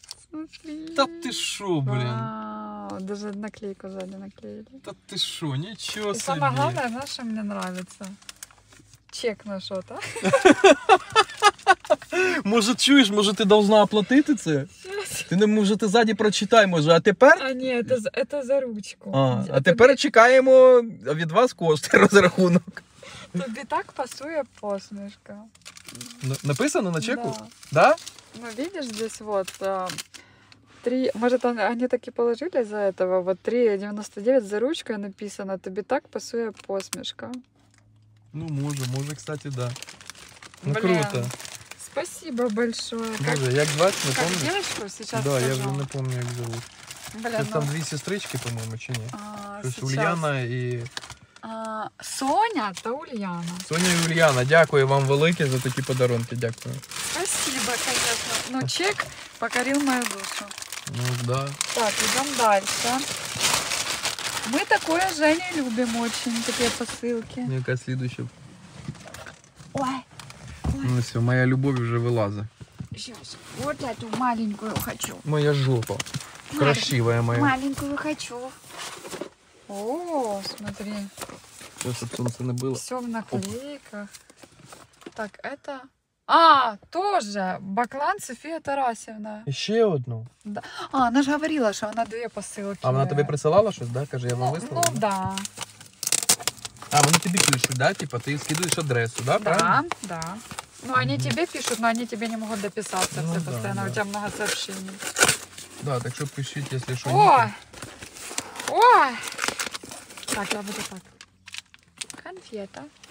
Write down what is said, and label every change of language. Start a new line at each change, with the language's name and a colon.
Russian: Смотри. Да ты что, блин. Вау, даже наклейку сзади наклеили. Да ты что, ничего себе. И самое главное, знаешь, что мне нравится? Чек на что-то. Может, чуешь, может, ты должна оплатить это? Сейчас. зараз.
Ukrainian: Ти не може, ти ззаді прочитай, може, а тепер? А ні, це за ручку. А тепер тобі... чекаємо від вас кошти, розрахунок. Тобі так пасує посмішка.
Russian: Написано на чеку? Так. Да. Да?
Ukrainian: Ну, видиш, десь от... Три, може, там вони так і положили за цього, от 3,99 за ручкою написано, тобі так пасує посмішка.
Russian: Ну, може, може, кстати, да. Ну, блин, круто. Спасибо большое. Боже, как звать, не помню. Как девочку сейчас да, скажу. Да, я уже не помню, как зовут. Блин, сейчас ну... там две сестрички, по-моему, чи нет? А, то есть Ульяна и...
Ukrainian: Соня та Ульяна. Соня и Ульяна, дякую вам велике за такі подарунки, дякую.
Russian: Спасибо, конечно. Ну, чек покорил мою душу. Ну, да. Так, идем дальше. Мы такое, Женя, любим очень, такие посылки. Ну, какая следующая? Ой. Ну все, моя любовь уже вылазит. Сейчас, вот эту маленькую хочу. Моя жопа. Красивая моя. Маленькую хочу. О, смотри. Сейчас, чтобы солнце не было. Все в наклейках. Оп. Так, это... А, тоже. Баклан София Тарасевна. Еще одну? Да. А, она же говорила, что она две посылки. А она тебе присылала что-то, да?
Ukrainian: Кажи, я вам выслала.
Russian: Ну, да.
Ukrainian: А, вони тобі пишуть, да? Типа, ти скидуєш адресу, да?
Russian: Да, да.
Ukrainian: Ну, вони тобі пишуть, але вони тобі не можуть дописатися, ну, все да, постійно, да. У тебе багато сообщень. Да, так що пишіть, якщо що.
Russian: Ой! Ой! Так, я буду так. Конфета.